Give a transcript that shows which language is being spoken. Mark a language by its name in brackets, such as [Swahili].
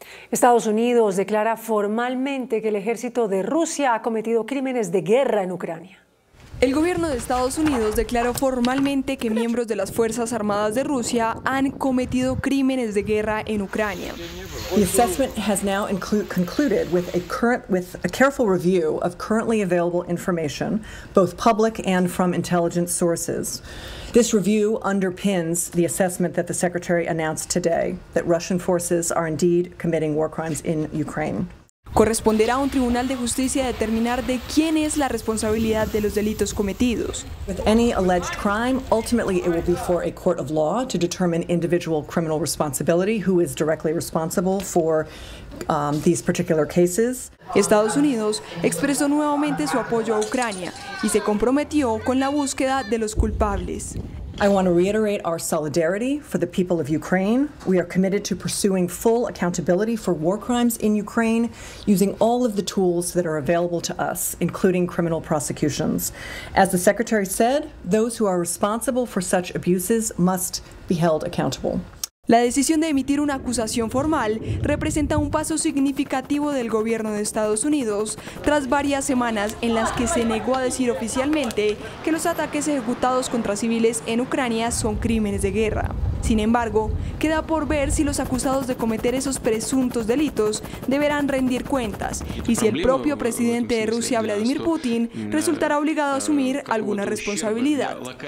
[Spanish] Estados Unidos declara formalmente que el ejército de Rusia ha cometido crímenes de guerra en Ucrania. El gobierno de Estados Unidos declaró formalmente que miembros de las Fuerzas Armadas de Rusia han cometido crímenes de guerra en Ucrania. [English] The assessment has now concluded with a careful review of currently available information, both public and from intelligence sources. This review underpins the assessment that the Secretary announced today, that Russian forces are indeed committing war crimes in Ukraine. [Spanish] Corresponderá a un tribunal de justicia determinar de quién es la responsabilidad de los delitos cometidos. [English] With any alleged crime, ultimately it will be for a court of law to determine individual criminal responsibility, who is directly responsible for these particular cases. [Spanish] Estados Unidos expresó nuevamente su apoyo a Ucrania y se comprometió con la búsqueda de los culpables. [English] I want to reiterate our solidarity for the people of Ukraine. We are committed to pursuing full accountability for war crimes in Ukraine using all of the tools that are available to us, including criminal prosecutions. As the Secretary said, those who are responsible for such abuses must be held accountable. [Spanish] La decisión de emitir una acusación formal representa un paso significativo del gobierno de Estados Unidos tras varias semanas en las que se negó a decir oficialmente que los ataques ejecutados contra civiles en Ucrania son crímenes de guerra. Sin embargo, queda por ver si los acusados de cometer esos presuntos delitos deberán rendir cuentas y si el propio presidente de Rusia, Vladimir Putin, resultará obligado a asumir alguna responsabilidad.